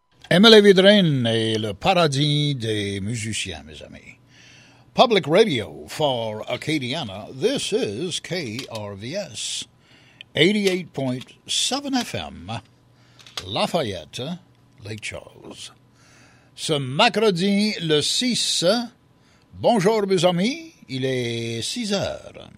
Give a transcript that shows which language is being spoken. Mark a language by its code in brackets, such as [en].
[fr] Emily Vedrine et le paradis des musiciens, mes amis. [en] Public Radio for Acadiana, this is KRVS, 88.7 FM, Lafayette, Lake Charles. [fr] Ce mercredi, le 6, bonjour mes amis, il est 6 heures.